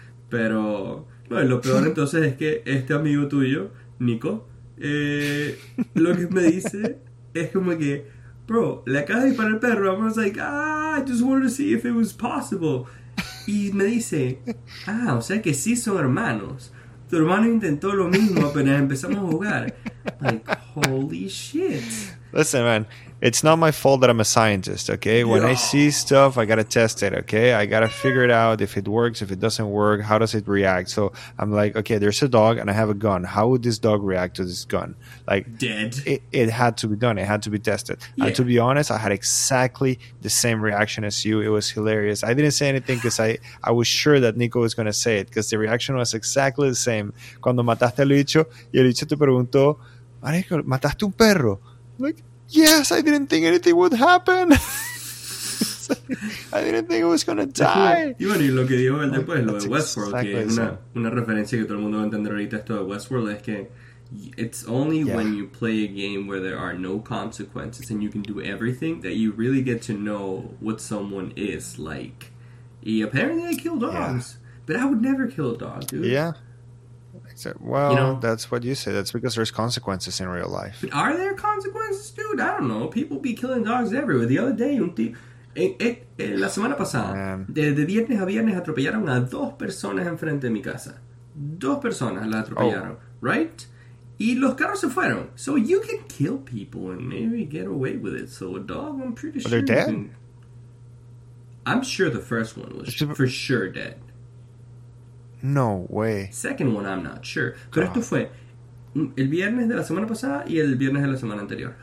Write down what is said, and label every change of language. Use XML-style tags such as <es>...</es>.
<es>Pero no, lo peor entonces es que este amigo tuyo, Nico, lo que me dice es como que, bro, le acabas de disparar al perro.</es> <en>I was like, I just wanted to see if it was possible.</en> <es>Y me dice, o sea que sí son hermanos. Tu hermano intentó lo mismo apenas empezamos a jugar.</es> <en>Like, holy shit. Listen, man. It's not my fault that I'm a scientist, okay? When I see stuff, I got to test it, okay? I got to figure it out if it works, if it doesn't work. How does it react? So I'm like, okay, there's a dog and I have a gun. How would this dog react to this gun? Like, dead. It had to be done. It had to be tested. Yeah. And to be honest, I had exactly the same reaction as you. It was hilarious. I didn't say anything because I was sure that Nico was going to say it because the reaction was exactly the same.</en> <es>Cuando mataste al bicho, y el bicho te preguntó, Marico, ¿mataste un perro?</es> <en>Like, yes, I didn't think anything would happen. I didn't think it was going to die.</en> <es>Y bueno, y lo que dijo él después, lo de Westworld, exactly, que es una referencia que todo el mundo va a entender ahorita esto de Westworld, es que</es> <en>it's only when you play a game where there are no consequences and you can do everything that you really get to know what someone is like. Y apparently they kill dogs. Yeah. But I would never kill a dog, dude. Yeah. Well, you know, that's what you say. That's because there's consequences in real life. But are there consequences, dude? I don't know. People be killing dogs everywhere. The other day,</en> <es>la semana pasada, de viernes a viernes atropellaron a dos personas enfrente de mi casa. Dos personas las atropellaron, right? Y los carros se fueron.</es> <en>So you can kill people and maybe get away with it. So a dog, I'm pretty sure. They're dead? I'm sure the first one was for sure dead. No way. Second one, I'm not sure.</en> <es>Pero esto fue el viernes de la semana pasada y el viernes de la semana anterior.</es>